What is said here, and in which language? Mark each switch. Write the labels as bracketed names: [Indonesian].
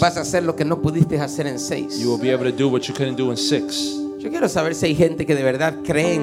[Spanish] Vas a hacer lo que no pudiste hacer en 6. [English] You will be able to do what you couldn't do in 6. [Spanish] Yo quiero saber si hay gente que de verdad creen.